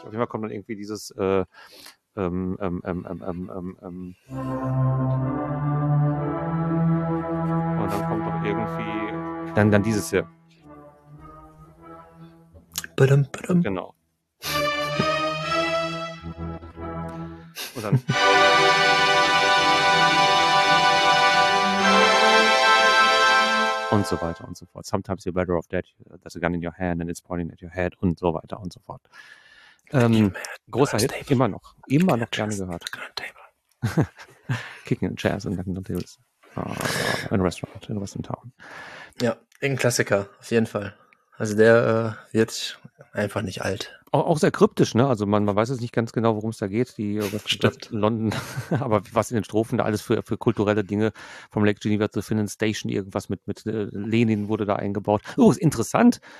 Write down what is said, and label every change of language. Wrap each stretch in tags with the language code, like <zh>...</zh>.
<de>Auf jeden Fall kommt dann irgendwie dieses und dann kommt doch irgendwie dann dieses hier. Badum, badum. Genau. Und so weiter und so fort.</de> <en>Sometimes you're better off dead. There's a gun in your hand and it's pointing at your head.</en> <de>Und so weiter und so fort. Großer Hit, table. Immer noch. Immer noch gerne gehört.</de> <en>Kicking in chairs and knocking on tables. In a restaurant, in a western town.</en> <de>Ja, ein Klassiker, auf jeden Fall. Also der wird einfach nicht alt. Auch sehr kryptisch, ne? Also man weiß jetzt nicht ganz genau, worum es da geht, die Stadt London. Aber was in den Strophen da alles für kulturelle Dinge vom Lake Geneva zu finden, Station, irgendwas mit Lenin wurde da eingebaut. Oh, ist interessant.</de>